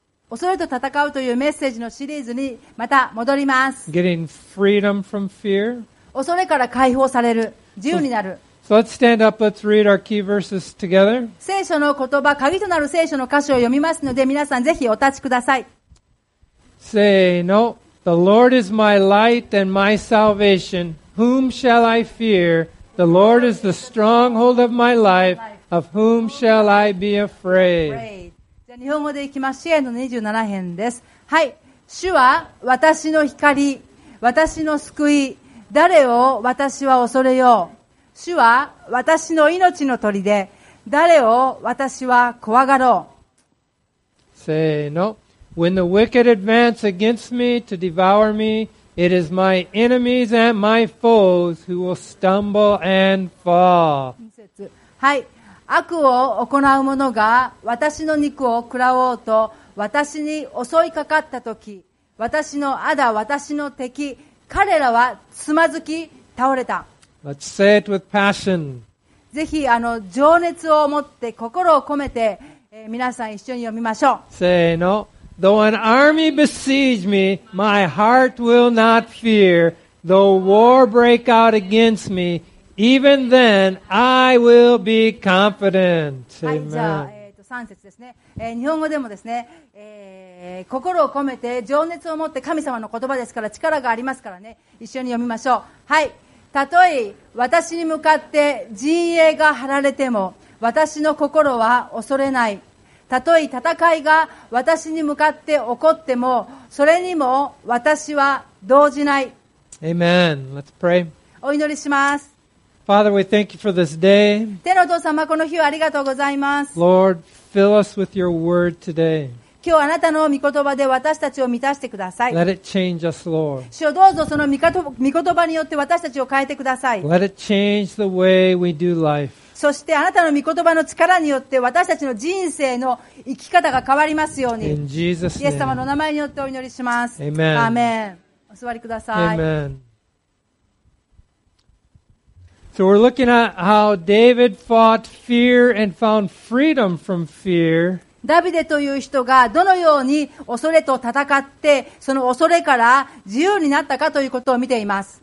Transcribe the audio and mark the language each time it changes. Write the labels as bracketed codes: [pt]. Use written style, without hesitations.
[ja] 恐れと戦うというメッセージのシリーズにまた戻ります。 [en] Getting freedom from fear. [ja] 恐れから解放される、自由になる。 [en] So let's stand up, let's read our key verses together. [ja] 聖書の言葉、鍵となる聖書の箇所を読みますので皆さんぜひお立ちください。せーの。 [en] The Lord is my light and my salvation. Whom shall I fear? The Lord is the stronghold of my life. Of whom shall I be afraid? [ja] 日本語でいきます。詩篇の27編です。はい。主は私の光、私の救い、誰を私は恐れよう。主は私の命の砦、誰を私は怖がろう。せーの。 [en] When the wicked advance against me to devour me, it is my enemies and my foes who will stumble and fall. [ja] 節。はい。悪を行う者が私の肉を食らおうと私に襲いかかったとき、私の仇、私の敵、彼らはつまずき倒れた。 [en] Let's say it with passion. [ja] ぜひ情熱を持って心を込めて、皆さん一緒に読みましょう。せーの。 [en] Though an army besiege me, my heart will not fear. Though war break out against meEven then, I will be confident. Amen. [ja] はい、じゃあ、3節ですね。日本語でもですね、心を込めて情熱を持って、神様の言葉ですから力がありますからね、一緒に読みましょう。はい。たとえ私に向かって陣営が張られても、私の心は恐れない。たとえ戦いが私に向かって起こっても、それにも私は動じない。 [en] Amen. Let's pray. [ja] お祈りします。 [en] Father, we thank you for this day. [ja] 天のお父様、この日をありがとうございます。 [en] Lord, fill us with your word today. [ja] 今日あなたの御言葉で私たちを満たしてください。 [en] Let it change us, Lord. [ja] 主よ、どうぞその御言葉によって私たちを変えてください。 [en] Let it change the way we do life. [ja] そしてあなたの御言葉の力によって私たちの人生の生き方が変わりますように。 [en] In Jesus' name. [ja] イエス様の名前によってお祈りします。 [en] Amen. [ja] アーメン。お座りください。 [en] Amen. So we're looking at how David fought fear and found freedom from fear. [ja] ダビデという人がどのように恐れと戦って、その恐れから自由になったかということを見ています。